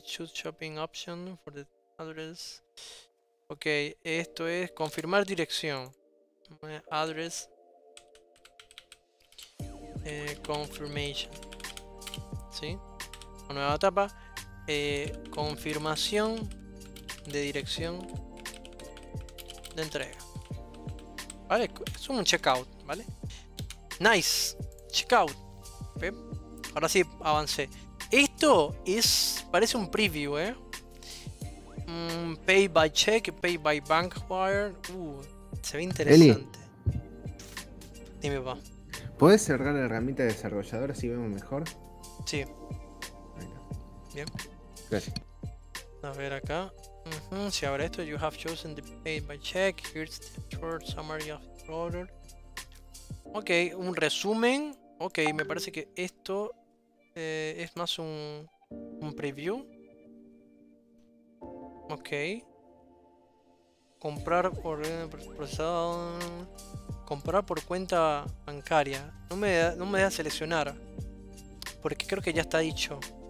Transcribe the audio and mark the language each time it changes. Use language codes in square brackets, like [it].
[en] Choose shopping option for the address. [es] Ok, esto es confirmar dirección. [en] Address. [es] Confirmation. ¿Sí? Una nueva etapa. Confirmación de dirección de entrega. Vale, es un checkout, ¿vale? Nice. Checkout. ¿Ve? Ahora sí, avancé. Esto parece un preview, ¿eh? [en] Pay by check, pay by bank wire. [es] Se ve interesante. Eli, dime, papá. ¿Puedes cerrar la herramienta de desarrollador así vemos mejor? Sí. Bien. Gracias. A ver acá. [en] Si abre esto, you have chosen the paid by check. Here's the short summary of the order. [es] Ok, un resumen. Ok, me parece que esto es más un preview. Ok. Comprar por procesado. Comprar por cuenta bancaria. No me deja seleccionar. Porque creo que ya está dicho.